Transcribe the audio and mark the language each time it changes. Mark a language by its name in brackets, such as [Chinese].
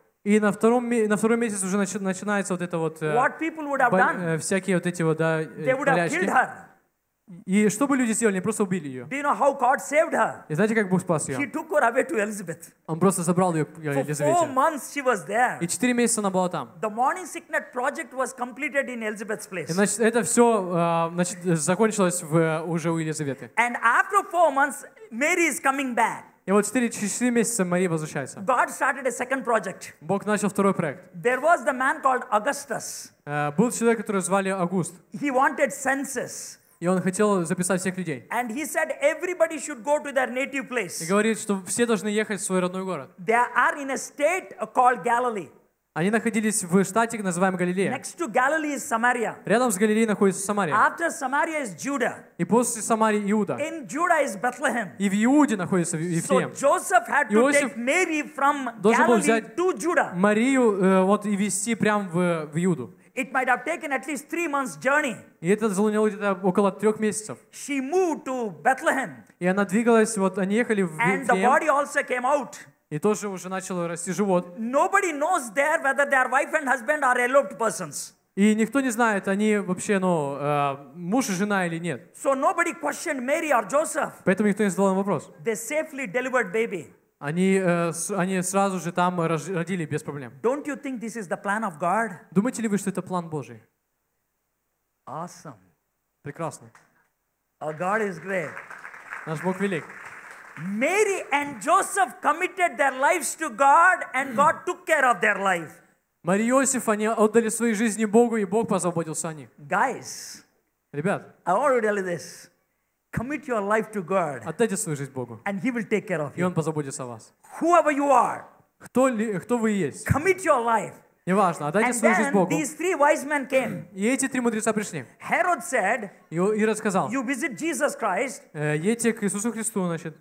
[Russian] И на втором месяце уже начинается вот это вот. [English] What people would have done? [Russian] Всякие вот эти вот, да, [English] They would [Russian] болячки. [English] Have killed her. [Russian] И что бы люди сделали? Они просто убили ее. [English] Do you know how God saved her? [Russian] И знаете, как Бог спас ее? [English] He took her away to Elizabeth. [Russian] Он просто забрал ее к Елизавете. [English] For 4 months she was there. [Russian] И 4 месяца она была там. [English] The morning sickness project was completed in Elizabeth's place. [Russian] И значит, это все значит, закончилось уже у Елизаветы. [English] And after 4 months Mary is coming back. [Russian] И вот четыре месяца Мария возвращается. [English] God started a second project. [Russian] Бог начал второй проект. [English] There was the man called Augustus. [Russian] Был человек, которого звали Август. [English] He wanted census. [Russian] И он хотел записать всех людей. [English] And he said everybody should go to their native place. [Russian] И говорит, что все должны ехать в свой родной город. [English] They are in a state called Galilee. [Russian] Они находились в штате, называемом Галилея. [English] Next to Galilee is Samaria. [Russian] Рядом с Галилеей находится Самария. [English] After Samaria is Judah. [Russian] И после Самарии Иуда. [English] In Judah is Bethlehem. [Russian] И в Иуде находится Вифлеем. [English] So Joseph had to take Mary from Galilee to Judah. [Russian] Марию вот и везти прямо в Иуду. [English] It might have taken at least 3 months journey. [Russian] И это заняло где-то около 3 месяцев. [English] She moved to Bethlehem. [Russian] И она двигалась, вот они ехали в Вифлеем. [English] And the body also came out. [Russian] И тоже уже начало расти живот. [English] Nobody knows there whether their wife and husband are eloped persons. [Russian] И никто не знает, они вообще, ну, муж и жена или нет. [English] So nobody questioned Mary or Joseph. [Russian] Поэтому никто не задал им вопрос. [English] They safely delivered baby. [Russian] Они сразу же там родили без проблем. [English] Don't you think this is the plan of God? [Russian] Думаете ли вы, что это план Божий? [English] Awesome. [Russian] Прекрасно. [English] Our God is great. [Russian] Наш Бог велик. [English] Mary and Joseph committed their lives to God, and God took care of their life. [Russian] Мария и Иосиф, они отдали свои жизни Богу, и Бог позаботился о них. [English] Guys, [Russian] ребят, [English] I want to tell you this: commit your life to God. [Russian] Отдайте свою жизнь Богу. [English] And He will take care of you. [Russian] И Он позаботится о вас. [English] Whoever you are. [Russian] Кто вы есть? [English] Commit your life. [Russian] Неважно, отдайте свою жизнь Богу. [English] And then these three wise men came. [Russian] И эти три мудреца пришли. [English] Herod said, [Russian] Ирод сказал, [English] you visit Jesus Christ, [Russian] едьте к Иисусу Христу, значит,